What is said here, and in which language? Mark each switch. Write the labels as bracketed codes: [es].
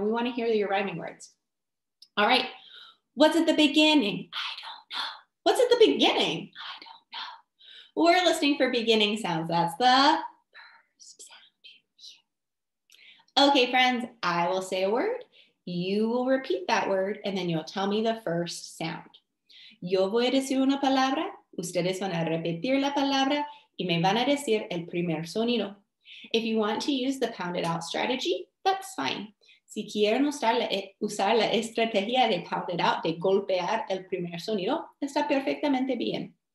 [en] We want to hear your rhyming words. All right. What's at the beginning? I don't know. What's at the beginning? I don't know. We're listening for beginning sounds. That's the first sound you hear. Okay, friends, I will say a word. You will repeat that word, and then you'll tell me the first sound. [es] Yo voy a decir una palabra, ustedes van a repetir la palabra, y me van a decir el primer sonido. [en] If you want to use the pounded out strategy, that's fine. [es] Si quieren usar la estrategia de pounded out, de golpear el primer sonido, está perfectamente bien.